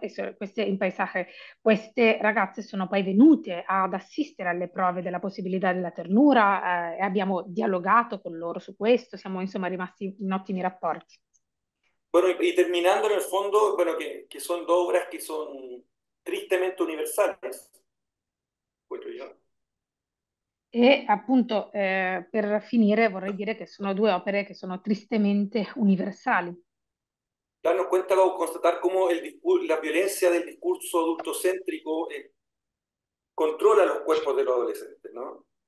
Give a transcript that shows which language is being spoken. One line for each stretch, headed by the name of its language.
Italian: E queste ragazze sono poi venute ad assistere alle prove della possibilità della ternura e abbiamo dialogato con loro su questo, siamo insomma rimasti in ottimi rapporti.
Spanish: Bueno, y terminando en el fondo, bueno, que son dos obras que son tristemente universales, cuento yo.
Italian: E appunto, per finire vorrei dire che sono due opere che sono tristemente universali.
Spanish: Darnos cuenta o constatar cómo la violencia del discurso adultocéntrico controla los cuerpos de los adolescentes, ¿no?